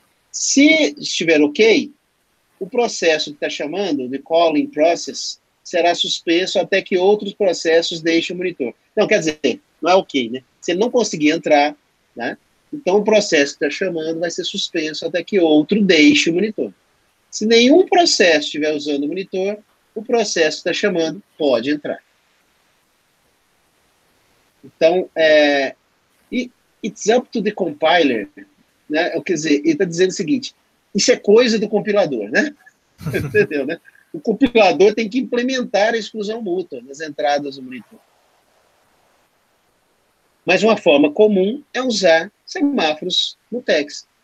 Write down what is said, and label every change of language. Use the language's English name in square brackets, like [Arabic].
[Portuguese] Se estiver ok, o processo que está chamando, [English] the calling process, [Portuguese] será suspenso até que outros processos deixem o monitor. Não, quer dizer, não é ok, né? Se ele não conseguir entrar, né? Então o processo que está chamando vai ser suspenso até que outro deixe o monitor. Se nenhum processo estiver usando o monitor, o processo que está chamando pode entrar. [English] Então, it's up to the compiler, né? [Portuguese] Quer dizer, ele está dizendo o seguinte: isso é coisa do compilador, né? Entendeu, né? O compilador tem que implementar a exclusão mútua nas entradas do monitor. Mas uma forma comum é usar semáforos no text.